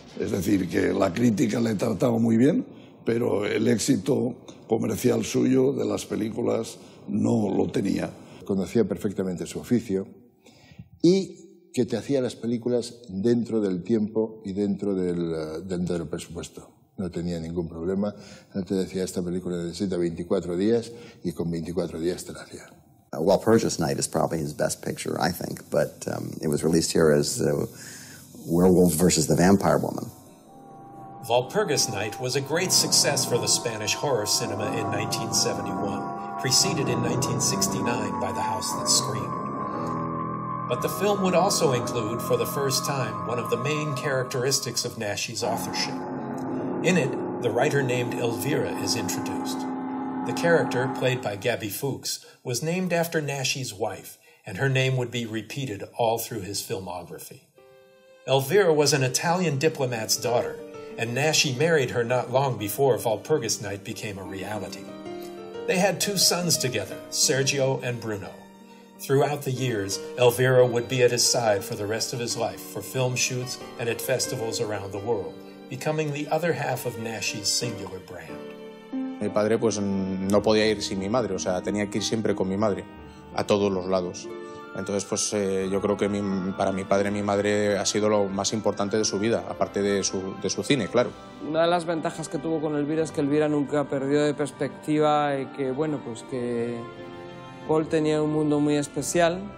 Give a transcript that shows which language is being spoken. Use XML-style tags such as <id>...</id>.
<es>Es decir, que la crítica le trataba muy bien, pero el éxito comercial suyo de las películas no lo tenía. Conocía perfectamente su oficio y que te hacía las películas dentro del tiempo y dentro del presupuesto. No tenía ningún problema. Él te decía, esta película necesita 24 días y con 24 días te la hacía.</es> <en>Walpurgisnacht is probably his best picture, I think, but it was released here as Werewolf versus the Vampire Woman. Walpurgisnacht was a great success for the Spanish horror cinema in 1971, preceded in 1969 by The House That Screamed. But the film would also include, for the first time, one of the main characteristics of Naschy's authorship. In it, the writer named Elvira is introduced. The character, played by Gabby Fuchs, was named after Naschy's wife, and her name would be repeated all through his filmography. Elvira was an Italian diplomat's daughter, and Naschy married her not long before Walpurgisnacht became a reality. They had two sons together, Sergio and Bruno. Throughout the years, Elvira would be at his side for the rest of his life for film shoots and at festivals around the world, becoming the other half of Naschy's singular brand.</en> <es>Mi padre pues no podía ir sin mi madre, o sea, tenía que ir siempre con mi madre a todos los lados. Entonces, pues yo creo que para mi padre y mi madre ha sido lo más importante de su vida, aparte de su cine, claro. Una de las ventajas que tuvo con Elvira es que Elvira nunca perdió de perspectiva y que, bueno, pues que Paul tenía un mundo muy especial.</es>